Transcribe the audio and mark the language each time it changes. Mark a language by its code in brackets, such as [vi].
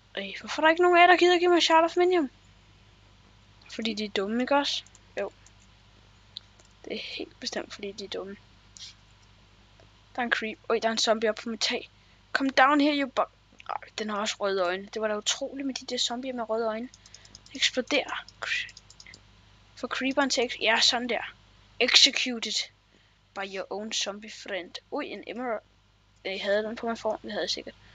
[da] Ej, hvorfor er der ikke nogen af jer, der gider give mig Shard of Minium? Fordi de er dumme, ikke også? Jo. Det er helt bestemt, fordi de er dumme. Der er en creep. Oj, der er en zombie oppe på mit tag. [en] Come down here, you bug. [da] Ej, den har også røde øjne. Det var da utroligt med de der zombier med røde øjne. Eksploderer. For creeperen til ja, sådan der. [en] Executed by your own zombie friend. [da] Ui, en emerald. Jeg havde den på min form, det havde jeg sikkert.